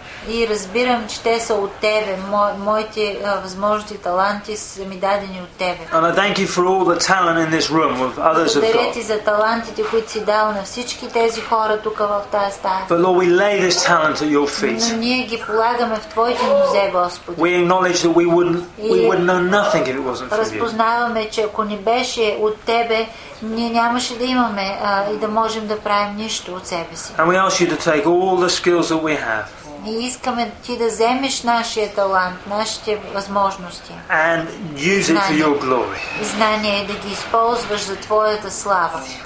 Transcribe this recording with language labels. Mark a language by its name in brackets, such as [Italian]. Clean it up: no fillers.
[Bulgarian] И разбирам, че те са от тебе. Моите възможности, таланти са ми дадени от тебе. [English] And I thank you for all the talent in this room with others of God. [Bulgarian] Благодаря ти за талантите, които си дал на всички тези хора тук в тази стая. [English] But Lord, we lay this talent at your feet. [Bulgarian] Но ние ги полагаме в твоите нозе, Господи. [English] We acknowledge that we would know nothing if it wasn't for you. [Bulgarian] Разпознаваме, че ако не беше от тебе, ние нямаше да имаме и да можем да правим нищо от себе си. [English] And we ask you to take all the skills that we have. [Bulgarian] И искаме ти да вземеш нашия талант, нашите възможности. [English] And use it for your glory. [Bulgarian] Знание да ги използваш за твоята слава.